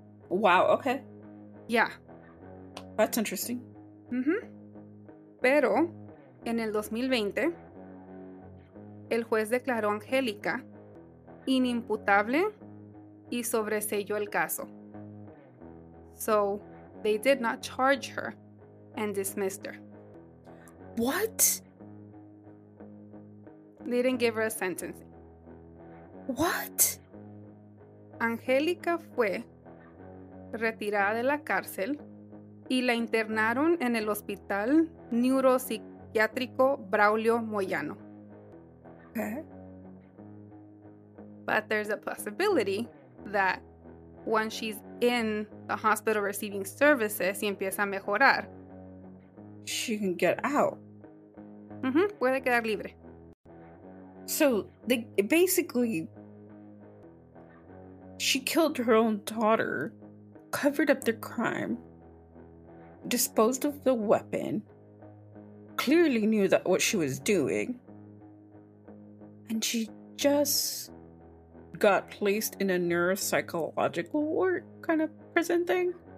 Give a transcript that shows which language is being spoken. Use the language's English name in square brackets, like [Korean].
[English] Wow, okay. Yeah. That's interesting. Mm-hmm. [Spanish] Pero, en el 2020, el juez declaró a Angélica inimputable y sobreseyó el caso. [English] So, they did not charge her and dismissed her. What? They didn't give her a sentence. What? [Spanish] Angélica fue retirada de la cárcel y la internaron en el hospital neuropsiquiátrico Braulio Moyano. [English] Okay. But there's a possibility that once she's in the hospital receiving services [Spanish] y empieza a mejorar, [English] she can get out. [Spanish] Mm-hmm. Puede quedar libre. [English] So, basically, she killed her own daughter, covered up the crime, disposed of the weapon, clearly knew that what she was doing, and she just got placed in a neuropsychological ward kind of prison thing.